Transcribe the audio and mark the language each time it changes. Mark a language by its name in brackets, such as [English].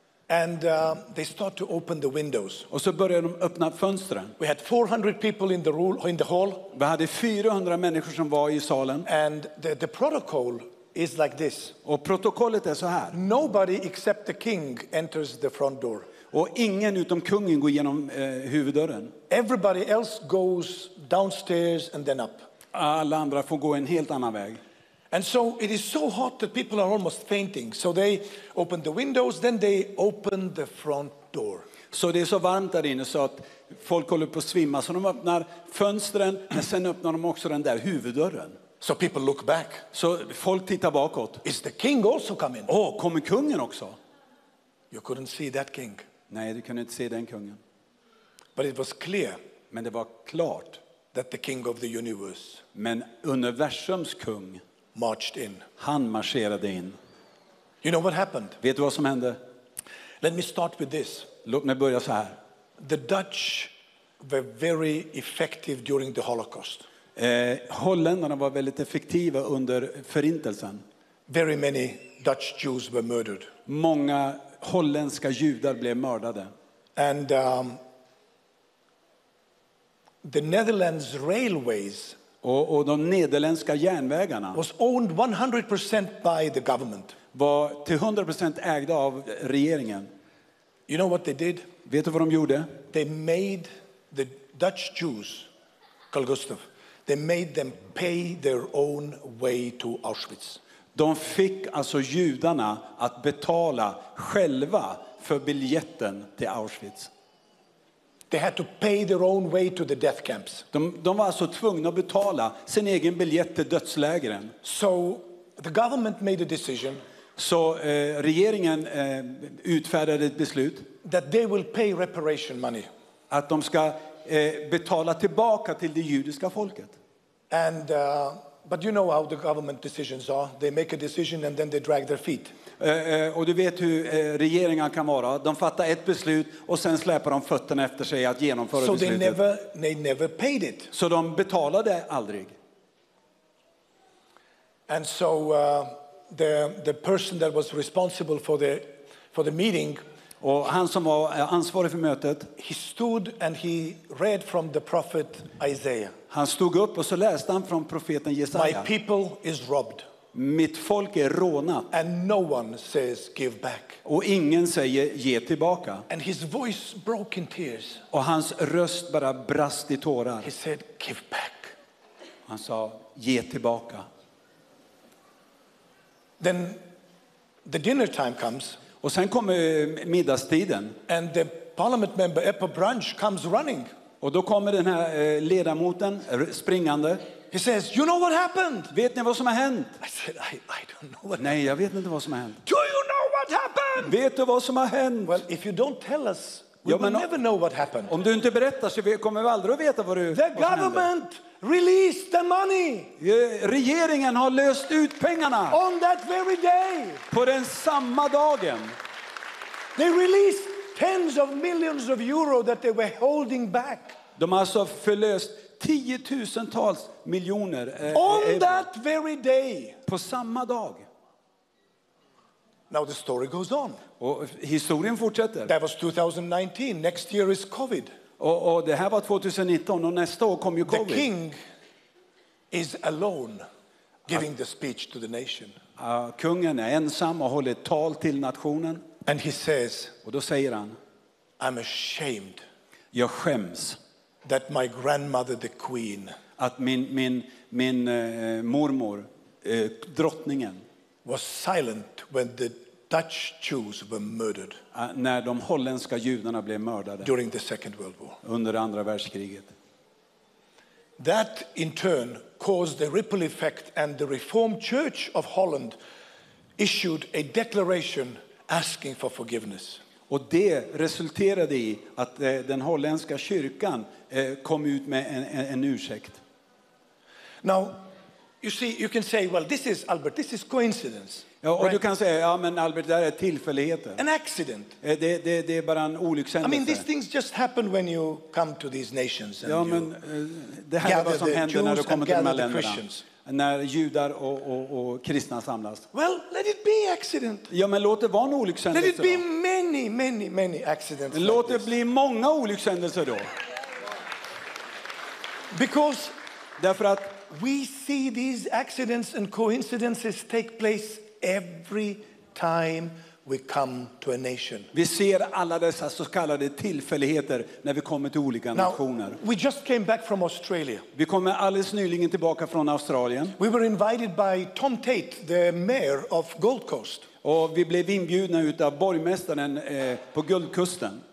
[English] And they start to open the windows. [Swedish] Och så börjar de öppna fönstren. [English] We had 400 people in the hall. [Swedish] Vi hade 400 människor som var i salen. [English] And the protocol is like this. [Swedish] Och protokollet är så här. [English] Nobody except the king enters the front door. [Swedish] Och ingen utom kungen går genom huvuddörren. [English] Everybody else goes downstairs and then up. [Swedish] Alla andra får gå en helt annan väg. [English] And so it is so hot that people are almost fainting. So they open the windows, then they open the front door. [Swedish] Så det är så varmt där inne så att folk håller på att svimma. Så de öppnar fönstren, men sen öppnar de också den där huvuddörren. [English] So people look back. [Swedish] Så folk tittar bakåt. [English] Is the king also coming? [Swedish] Åh, kommer kungen också? [English] You couldn't see that king. [Swedish] Nej, du kunde inte se den kungen. [English] But it was clear. [Swedish] Men det var klart. [English] That the king of the universe. [Swedish] Men universums kung. [English] Marched in. [Swedish] Han marscherade in. [English] You know what happened? [Swedish] Vet du vad som hände? [English] Let me start with this. [Swedish] Låt mig börja så här. [English] The Dutch were very effective during the Holocaust. [Swedish] Holländarna var väldigt effektiva under förintelsen. [English] Very many Dutch Jews were murdered. [Swedish] Många holländska judar blev mördade. [English] And the Netherlands railways. [Swedish] Och de nederländska järnvägarna [English] was owned 100% by the government. [Swedish] Var till 100% ägda av regeringen. [English] You know what they did? [Swedish] Vet du vad de gjorde? [English] They made the Dutch Jews, Carl Gustav, they made them pay their own way to Auschwitz. [Swedish] De fick alltså judarna att betala själva för biljetten till Auschwitz. [English] They had to pay their own way to the death camps. [Swedish] De var alltså tvungna att betala sin egen biljett till dödslägren. [English] So the government made a decision. [Swedish] Så regeringen utfärdade ett beslut. [English] That they will pay reparation money. [Swedish] Att de ska betala tillbaka till det judiska folket. [English] And but you know how the government decisions are. They make a decision and then they drag their feet. [Swedish] Och du vet hur regeringar kan vara. De fattar ett beslut och sen släpar de fötterna efter sig att genomföra beslutet. [English] They never paid it. [Swedish] Så de betalade aldrig. [English] And so the person that was responsible for the meeting. [Swedish] Och han som var ansvarig för mötet. [English] He stood and he read from the prophet Isaiah. [Swedish] Han stod upp och så läste han från profeten Jesaja. [English] My people is robbed. [Swedish] Mitt folk är rånat. [English] And no one says give back. [Swedish] Och ingen säger ge tillbaka. [English] And his voice broke in tears. [Swedish] Och hans röst bara brast i tårar. [English] He said give back. [Swedish] Han sa ge tillbaka. [English] Then the dinner time comes. [Swedish] Och sen kommer middagstiden. [English] And the parliament member Eppo Branch comes running. [Swedish] Och då kommer den här ledamoten springande. [English] He says, "You know what happened?" [Swedish] Vet ni vad som har hänt? [English] I said, "I don't know what." [Swedish] Nej, jag vet inte vad som har hänt. [English] Do you know what happened? [Swedish] Vet du vad som har hänt? [English] Well, if you don't tell us, we'll never know what happened. [Swedish] Om du inte berättar så kommer vi aldrig att veta vad du. [English] The government released the money. [Swedish] Regeringen har löst ut pengarna. [English] On that very day. [Swedish] På den samma dagen. [English] They released tens of millions of euro that they were holding back. [Swedish] De har alltså förlöst tiotusentals miljoner [English] on that very day. [Swedish] På samma dag. [English] Now the story goes on. [Swedish] Och historien fortsätter. [English] That was 2019. Next year is COVID. [Swedish] Och det här var 2019 och nästa år kom ju COVID. [English] The king is alone giving the speech to the nation. [Swedish] Kungen är ensam och håller tal till nationen. [English] And he says, [Swedish] och då säger han, [English] I'm ashamed. [Swedish] Jag skäms. [English] That my grandmother, the queen, [Swedish] att min mormor, drottningen, [English] was silent when the Dutch Jews were murdered. [Swedish] När de holländska judarna blev mördade. [English] During the Second World War. [Swedish] Under andra världskriget. [English] That in turn caused a ripple effect, and the Reformed Church of Holland issued a declaration asking for forgiveness. [Swedish] Och det resulterade i att den holländska kyrkan kom ut med en ursäkt. [English] Now, you see, you can say, well, this is Albert, this is coincidence. [Swedish] Ja, och [English] right? [Swedish] Du kan säga, ja, men Albert, det är tillfälligheter. [English] An accident. [Swedish] Det är bara en olyckshändelse. [English] I mean, these things just happen when you come to these nations and [Swedish] ja, men, det här är vad som händer när du kommer till de här länderna. När judar och kristna samlas. [English] Well, let it be accident. [Swedish] Ja, men låt det vara en olyckshändelse. [English] Let it be many, many, many accidents. [Swedish] Låt [English] like [Swedish] det bli många olyckshändelser då. [English] Because [Swedish] därför att [English] we see these accidents and coincidences take place every time we come to a nation. [Swedish] Vi ser alla dessa så kallade tillfälligheter när vi kommer till olika nationer. [English] Now, we just came back from Australia. [Swedish] Vi kommer alldeles nyligen tillbaka från Australien. [English] We were invited by Tom Tate, the mayor of Gold Coast. [Swedish] Och vi blev inbjudna utav borgmästaren på Guldkusten.